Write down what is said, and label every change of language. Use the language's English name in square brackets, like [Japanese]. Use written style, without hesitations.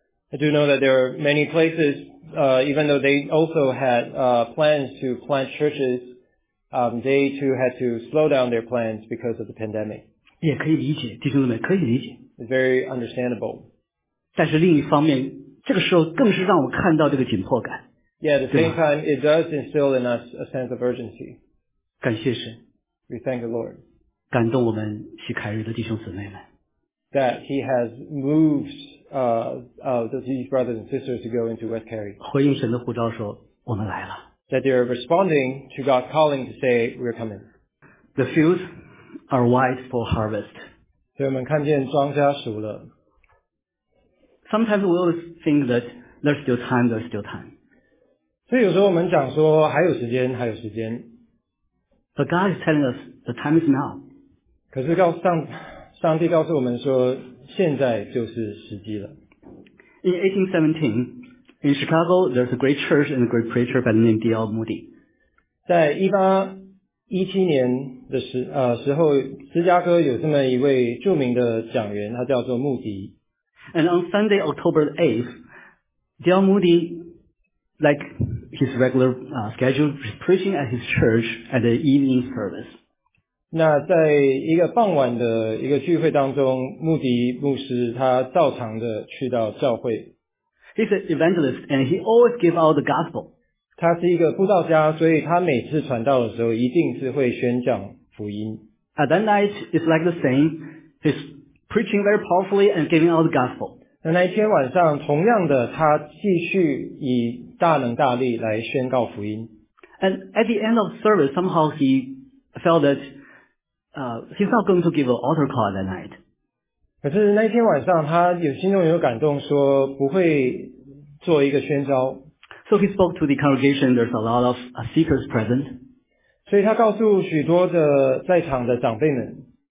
[English] I do know that there are many places, even though they also had plans to plant churches, they too had to slow down their plans because of the pandemic. [Chinese] 也可以理解，弟兄姊妹，可以理解。 [English] It's very understandable. [Chinese] 但是另一方面这个时候更是让我看到这个紧迫感。 [English] Yeah, at the same time, it does instill in us a sense of urgency. [Chinese] 感谢神。 [English] We thank the Lord. [Chinese] 感动我们西凯瑞的弟兄姊妹们。 [English] That he has moved, these brothers and sisters to go into West Cary. [Chinese] 回应神的呼召说我们来了。 [English] That they are responding to God's calling to say, we're coming. The fields are white for harvest. [Chinese] 所以我们看见庄稼熟了。 [English] Sometimes we will think that there's still time, there's still time. [Chinese] 所以有时候我们讲说还有时间，还有时间。 [English] But God is telling us the time is now. [Chinese] 可是上帝告诉我们说现在就是时机了。 [English] In 1817, in Chicago, there's a great church and a great preacher by the name D.L. Moody. [Chinese] 在1817年的时候，芝加哥有这么一位著名的讲员，他叫做穆迪。 [English] And on Sunday, October 8th, D.L. Moody, like his regular schedule, was preaching at his church at the evening service. [Chinese] 那在一个傍晚的一个聚会当中，穆迪牧师他照常的去到教会。 [English] He's an evangelist, and he always gives out the gospel. [Chinese] 他是一个布道家，所以他每次传道的时候，一定是会宣讲福音。 [English] At that night, it's like the same. His preaching very powerfully and giving out the gospel. [Chinese] 那一天晚上同样的他继续以大能大力来宣告福音。 [English] And at the end of service, somehow he felt that he's not going to give an altar call that night. [Chinese] 可是那天晚上他有心中有感动说不会做一个宣召。 [English] So he spoke to the congregation, there's a lot of seekers present. [Chinese] 所以他告诉许多的在场的长辈们。